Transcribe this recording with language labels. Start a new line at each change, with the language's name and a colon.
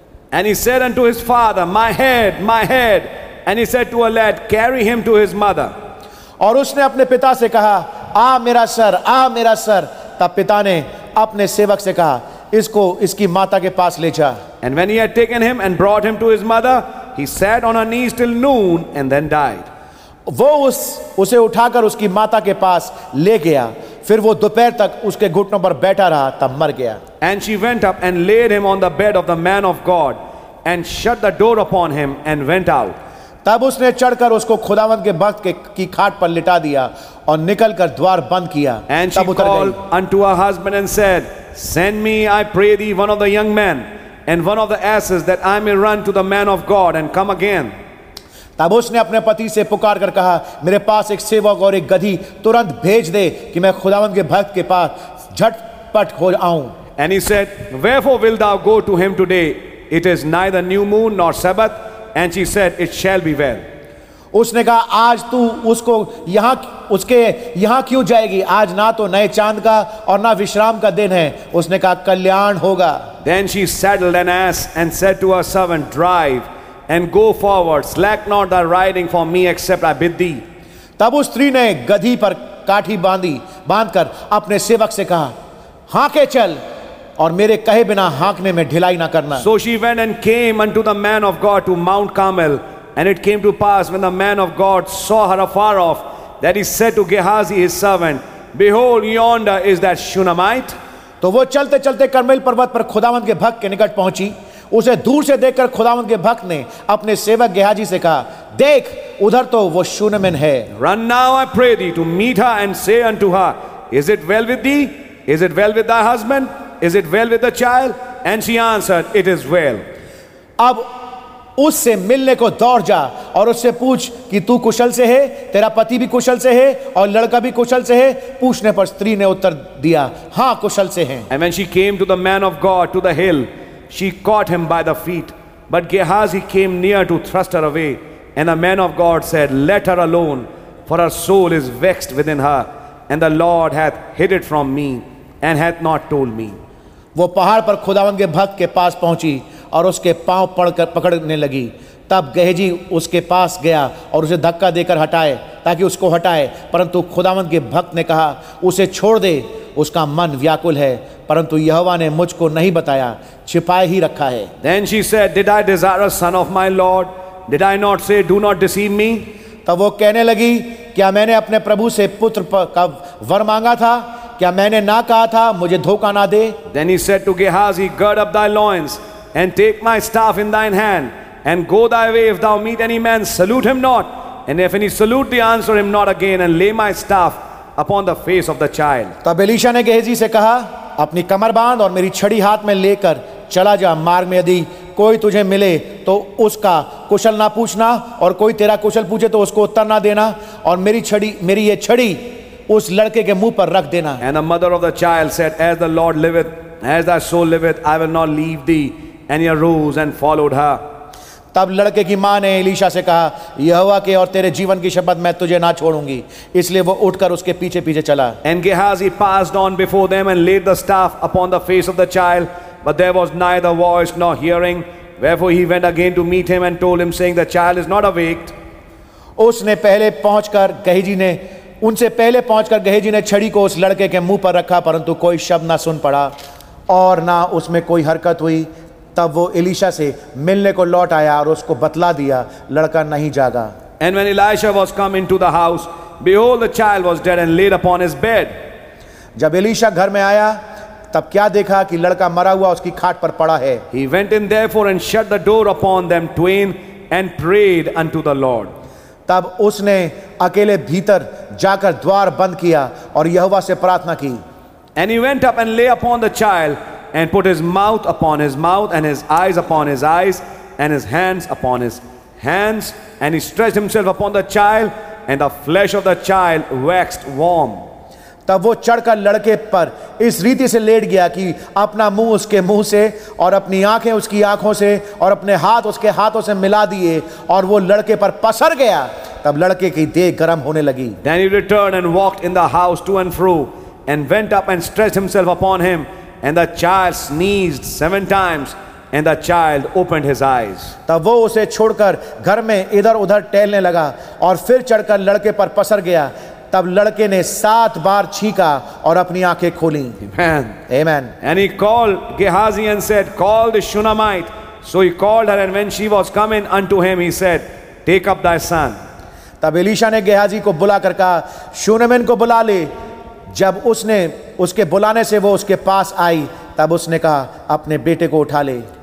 English: And he said unto his father, my head, and he said to a lad, carry him to his mother.
Hindi: और उसने अपने पिता से कहा आ मेरा सर आ मेरा सर. तब पिता ने अपने सेवक से कहा इसको इसकी माता के पास ले जा.
English: And when he had taken him and brought him to his mother, he sat on her knees till noon and then died.
Hindi: वो उसे उठाकर उसकी माता के पास ले गया फिर वो दोपहर तक उसके घुटनों पर बैठा रहा तब मर गया.
English: And she went up and laid him on the bed of the man of God and shut the door upon him and went out.
Hindi: तब उसने चढ़कर उसको खुदावंत के भक्त की खाट पर लिटा दिया और निकलकर द्वार बंद किया.
English: And she called unto her husband and said, Send me, I pray thee, one of the young men and one of the asses that I may run to the man of God and come again.
Hindi: तब उसने अपने पति से पुकार कर कहा मेरे पास एक सेवक और एक गधी तुरंत भेज दे कि मैं खुदावंत के भक्त के पास झटपट हो आऊं.
English: And he said, Wherefore wilt thou go to him today? It is neither new moon nor Sabbath. And she said, It shall be well.
Hindi: उसने कहा आज तू उसको यहाँ उसके यहाँ क्यों जाएगी आज ना तो नए चांद का और ना विश्राम का दिन है. उसने कहा कल्याण होगा.
English: Then she saddled an ass and said to her servant, Drive and go forward, slack not thy riding for me except I bid thee.
Hindi: तब उस स्त्री ने गधी पर काठी बांधी बांधकर अपने सेवक से कहा हांके चल और मेरे कहे बिना हांकने में ढिलाई ना करना.
English: So she went and came unto the man of God to Mount Carmel. And it came to pass when the man of God saw her afar off that he said to Gehazi his servant, Behold, yonder is that Shunammite.
Hindi: तो वो चलते चलते Carmel पर्वत पर खुदावंत के भक्त के निकट पहुंची. उसे दूर से देखकर खुदावंत के भक्त ने अपने सेवक गेहाजी से कहा देख उधर तो वो शूनमिन है.
English: Run now, I pray thee, to meet her and say unto her, Is it well with thee? Is it well with thy husband? Is it well with the child? And she answered, It is well.
Hindi: अब उससे मिलने को दौड़ जा और उससे पूछ कि तू कुशल से है तेरा पति भी कुशल से है और लड़का भी कुशल से है. पूछने पर स्त्री ने उत्तर दिया हाँ कुशल से हैं.
English: And when she came to the man of God to the hill, she caught him by the feet. But Gehazi came near to thrust her away. And the man of God said, Let her alone, for her soul is vexed within her. And the Lord hath hid it from me and hath not told me.
Hindi: वो पहाड़ पर खुदावन के भक्त के पास पहुंची और उसके पांव पकड़ने लगी. तब गहजी उसके पास गया और उसे धक्का देकर हटाए ताकि उसको हटाए. परंतु खुदावन के भक्त ने कहा उसे छोड़ दे उसका मन व्याकुल है. परंतु यहोवा ने मुझको नहीं बताया छिपाए ही रखा है.
English: Then she said, Did I desire a son of my Lord? Did I not say, Do not deceive me?
Hindi: तब वो कहने लगी क्या मैंने अपने प्रभु से पुत्र का वर मांगा था क्या मैंने ना कहा था मुझे धोखा ना दे.
English: Then he said to Gehazi, Gird up thy loins and take my staff in thine hand and go thy way. If thou meet any man, salute him not. And if any salute thee, answer him not again and lay my staff upon the face of the child.
Hindi: तब Elisha ने गेहजी से कहा अपनी कमर बांध और मेरी छड़ी हाथ में लेकर चला जा मार्ग में. यदि कोई तुझे मिले तो उसका कुशल ना पूछना और कोई तेरा कुशल पूछे तो उसको उत्तर ना देना और मेरी ये छड़ी उस लड़के के मुंह पर रख देना.
English: And the mother of the child said, As the Lord liveth, as thy soul liveth, I will not leave thee. And he arose and followed her.
Hindi: तब लड़के की मां ने एलिशा से कहा यहोवा के और तेरे जीवन की शपथ मैं तुझे ना छोड़ूंगी. इसलिए वो उठकर उसके पीछे पीछे चला.
English: And Gehazi passed on before them and laid the staff upon the face of the child, but there was neither voice nor hearing. Wherefore he went again to meet him and told him, saying, The child is not awaked.
Hindi: उसने पहले पहुंचकर गहजी ने उनसे पहले पहुंचकर गहेजी ने छड़ी को उस लड़के के मुंह पर रखा, परंतु कोई शब्द ना सुन पड़ा और ना उसमें कोई हरकत हुई। तब वो एलिशा से मिलने को लौट आया और उसको बतला दिया, लड़का नहीं जागा।
English: And when Elisha was come into the house, behold, the child was dead and laid upon his bed.
Hindi: जब एलिशा घर में आया, तब क्या देखा कि लड़का मरा हुआ उसकी खाट पर पड़ा है।
English: He went in therefore and shut the door upon them twain and prayed unto the Lord.
Hindi: तब उसने अकेले भीतर जाकर द्वार बंद किया और यहोवा से प्रार्थना की।
English: And he went up and lay upon the child and put his mouth and his eyes and his hands upon his hands and he stretched himself upon the child and the flesh of the child waxed warm.
Hindi: तब वो चढ़कर लड़के पर इस रीति से late गया कि अपना मुंह उसके मुंह से और अपनी आंखें उसकी आंखों से और अपने हाथ उसके हाथों से मिला दिए और वो लड़के पर पसर गया। तब लड़के की देह गर्म होने लगी।
English: Then he returned and walked in the house to and fro and went up and stretched himself upon him and the child sneezed 7 times and the child opened his eyes.
Hindi: तब वो उसे छोड़कर घर में इधर उधर टहलने लगा और फिर चढ़कर लड़के पर पसर गया। तब लड़के ने 7 बार छींका और अपनी आंखें खोली।
English: Amen. Amen. And he called Gehazi and said, call the Shunammite. So he called her and when she was coming unto him, he said, take up thy son.
Hindi: तब एलिशा ने गेहाजी को बुलाकर कहा, शूनेमिन को बुला ले। जब उसने उसके बुलाने से वो उसके पास आई, तब उसने कहा, अपने बेटे को उठा ले।